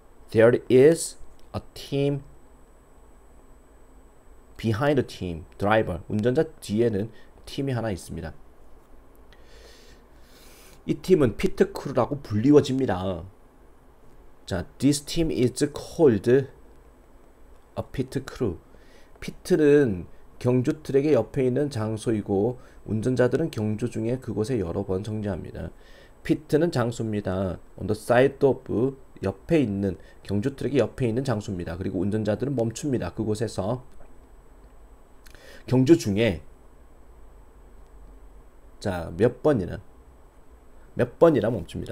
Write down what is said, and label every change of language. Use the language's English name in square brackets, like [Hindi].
[English] There is a team behind the team, driver. [Korean] 운전자 뒤에는 팀이 하나 있습니다. 이 팀은 피트 크루라고 불리워집니다. [English] 자, this team is called a pit crew. [Korean] 피트는 경주 트랙의 옆에 있는 장소이고, 운전자들은 경주 중에 그곳에 여러 번 정지합니다. 피트는 장소입니다. [English] On the side of [Korean] 옆에 있는 경주 트랙의 옆에 있는 장소입니다. 그리고 운전자들은 멈춥니다. 그곳에서 경주 중에 자, 몇 번이나 멈춥니다.